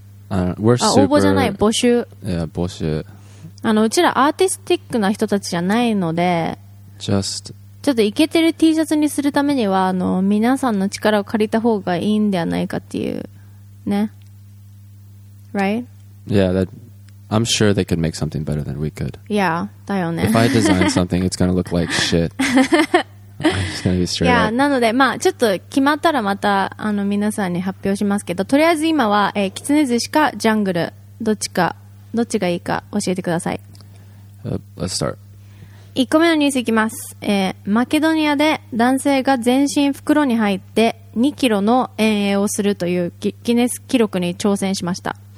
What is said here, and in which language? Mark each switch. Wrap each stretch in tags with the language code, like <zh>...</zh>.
<ja>応募じゃない、募集。 Yeah, 募集。うちらアーティスティックな人たちじゃないので、</ja> <en>just...</en> <ja>ちょっとイケてる T シャツにするためには皆さんの力を借りた方がいいんではないかっていうね。</ja> <en>Right? Yeah, that, I'm sure they could make something better than we could.</en> <ja>Yeah, だよね。</ja> <en>If I design something, it's gonna look like shit. It's gonna be straight up.</en> <ja>Yeah, なのでまあちょっと決まったらまた皆さんに発表しますけど、とりあえず今は、キツネ寿司かジャングル、どっちか、どっちがいいか教えてください。</ja> <en>Let's start.</en> <ja>1個目のニュースいきます。マケドニアで男性が全身袋に入って2キロの遠泳をするという ギネス記録に挑戦しました。</ja>